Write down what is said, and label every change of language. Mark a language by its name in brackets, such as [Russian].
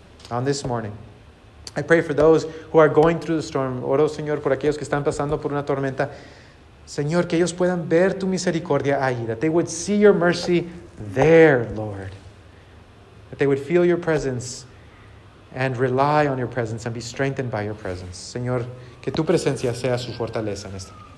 [English] On this morning, I pray for those who are going through the storm. [Spanish] Oro, Señor, por aquellos que están pasando por una tormenta. Señor, que ellos puedan ver tu misericordia ahí. [English] That they would see your mercy there, Lord. That they would feel your presence and rely on your presence and be strengthened by your presence. [Spanish] Señor, que tu presencia sea su fortaleza en esta.